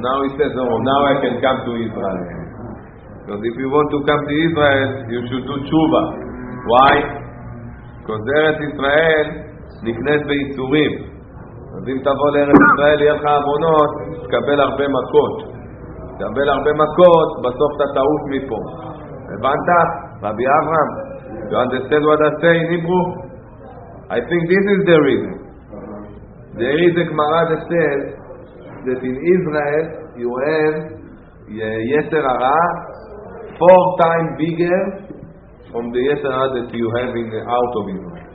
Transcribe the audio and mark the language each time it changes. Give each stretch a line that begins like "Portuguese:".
English: now he says, oh, now I can come to Israel. Because if you want to come to Israel, you should do tshuva. Why? Because there at Israel,
Hebrew: נכנס ביצורים. אז אם תבוא לארץ ישראל, יהיה לך אמונות, תקבל הרבה מכות. תקבל הרבה מכות, בסוף אתה טעות מפה. הבנת?
English: רבי אברהם, you understand what I say in Hebrew? I think this is the reason. There is a Gemara that says that in Israel you have יתר הרע 4 times bigger from the יתר הרע that you have in out of Israel.